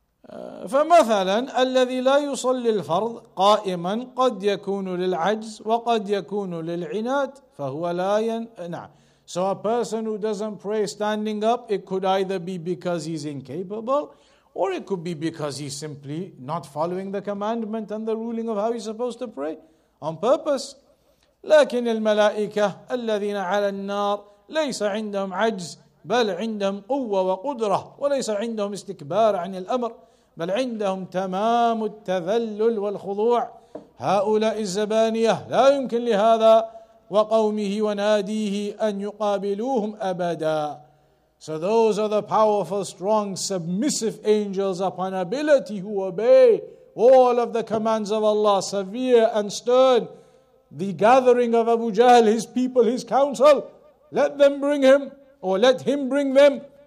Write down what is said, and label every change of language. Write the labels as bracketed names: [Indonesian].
[Arabic] فَمَثَلًا الَّذِي لَا يُصَلِّ الْفَرْضِ قَائِمًا قَدْ يَكُونُ لِلْعَجْزِ وَقَدْ يَكُونُ لِلْعِنَاتِ فَهُوَ لَا يَنْعَمُ. [English] So a person who doesn't pray standing up, it could either be because he's incapable, or it could be because he's simply not following the commandment and the ruling of how he's supposed to pray on purpose. [Arabic] لكن الملائكة الذين على النار ليس عندهم عجز بل عندهم قوة وقدرة وليس عندهم استكبار عن الأمر بل عندهم تمام التذلل والخضوع. هؤلاء الزبانية لا يمكن لهذا وقومه وناديه أن يقابلوهم أبدا. [English] So those are the powerful, strong, submissive angels upon ability who obey all of the commands of Allah, severe and stern. The gathering of Abu Jahl, his people, his council, let them bring him, or let him bring them.